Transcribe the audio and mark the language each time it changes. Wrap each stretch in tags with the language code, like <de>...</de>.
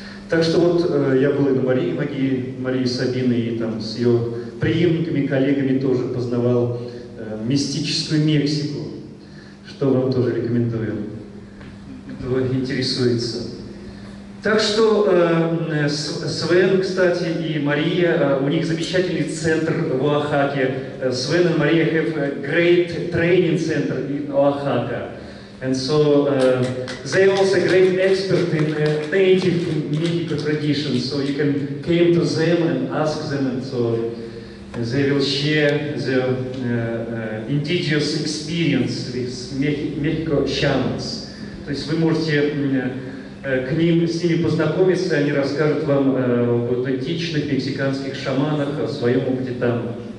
<ru>Так что вот я был и на Марии Сабины, и там с ее преемниками, коллегами тоже познавал мистическую Мексику, что вам тоже рекомендую, кто интересуется. Так что Свен, кстати, и Мария, у них замечательный центр в Оахаке.</ru> <en>Свен и Мария have a great training center in Оахака. And so they also great expert in native Mexico tradition. So you can came to them and ask them, and so they will share their indigenous experience with Mexico shamans.</en> <ru>То есть вы можете к ним, с ними познакомиться, они расскажут вам об аутентичных мексиканских шаманах, о своем опыте там.</ru>